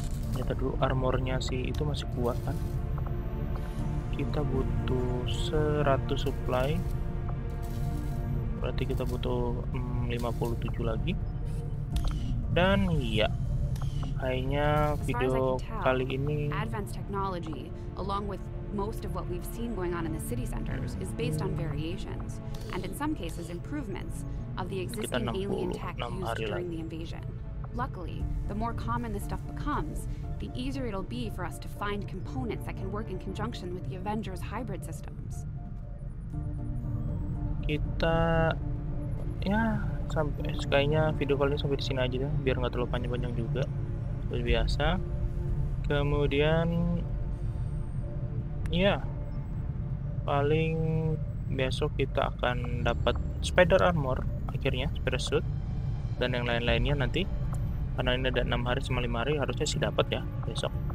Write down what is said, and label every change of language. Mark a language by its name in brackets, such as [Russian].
[Indonesian] Senjata dulu, armornya sih itu masih kuat kan. Kita butuh 100 supply. Berarti kita butuh 57 lagi. Dan iya, kayaknya video kali ini [English] advanced technology along with most of what we've seen going on in the city centers is based on variations and in some cases improvements of the existing alien tech used during the invasion. Luckily, the more common this stuff becomes, the easier it'll be for us to find components that can work in conjunction with the Avengers hybrid systems. [Indonesian] Kita ya sampai kayaknya video kali ini sampai di sini aja deh, biar nggak terlalu panjang-panjang juga seperti biasa. Kemudian ya paling besok kita akan dapat spider armor akhirnya, spider suit dan yang lain-lainnya nanti, karena ini ada 6 hari sama 5 hari harusnya sih dapat ya besok.